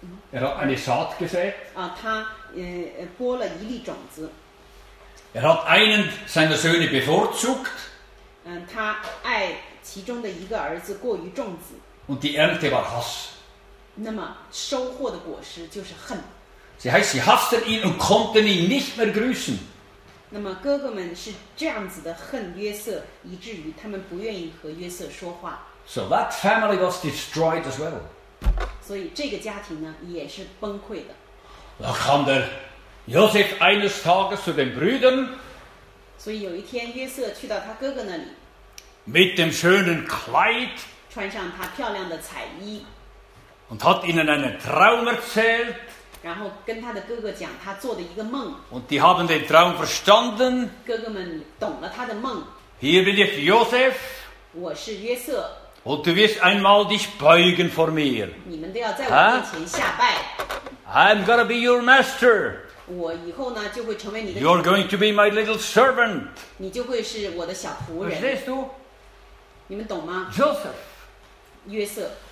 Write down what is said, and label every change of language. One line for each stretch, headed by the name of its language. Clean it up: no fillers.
German: Er hat eine Saat gesät.
Chinese: 他播了一粒种子。
German: Er hat einen seiner Söhne bevorzugt.
Chinese: 他爱其中的一个儿子过于重子。
German: Und die Ernte war Hass.
Chinese: 那么收获的果实就是恨。
German: Sie heißt, sie hassten ihn und konnten ihn nicht mehr grüßen.
Chinese: 那么哥哥们是这样子的恨约瑟，以至于他们不愿意和约瑟说话。
English: So that family was destroyed as well.
Chinese: 所以这个家庭呢也是崩溃的。
German: Da kam der Josef eines Tages zu den Brüdern.
Chinese: 所以有一天约瑟去到他哥哥那里。
German: Mit dem schönen Kleid.
Chinese: 穿上他漂亮的彩衣。
German: Und hat ihnen einen Traum erzählt.
Chinese: 然后跟他的哥哥讲他做的一个梦。
German: Und die haben den Traum verstanden.
Chinese: 哥哥们懂了他的梦。
German: Hier bin ich, Josef.
Chinese: 我是约瑟。
German: Und du wirst einmal dich beugen vor mir.
Chinese: 你们都要在我面前下拜。
English: I'm gonna be your master.
Chinese: 我以后呢就会成为你的。
English: You're going to be my little servant.
Chinese: 你就会是我的小仆人。
English: Is this too?
Chinese: 你们懂吗
English: ？Joseph.
Chinese: 约瑟。